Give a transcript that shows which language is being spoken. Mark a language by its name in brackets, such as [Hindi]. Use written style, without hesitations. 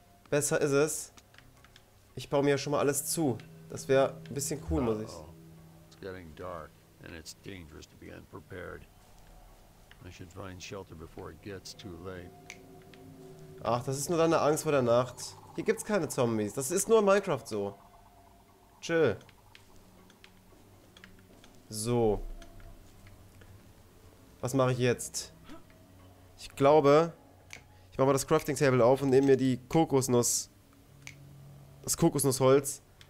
[German] Besser ist es. Ich baue mir schon mal alles zu. Das wäre ein bisschen cool, muss ich. [English] It's getting dark and it's dangerous to be unprepared. I should find shelter before it gets too late. [German] Ach, das ist nur deine Angst vor der Nacht. Hier gibt's keine Zombies. Das ist nur in Minecraft so. Chill. So. Was mache ich jetzt? Ich glaube, ich mache mal das Crafting Table auf und nehme mir die Kokosnuss. Das Kokosnussholz.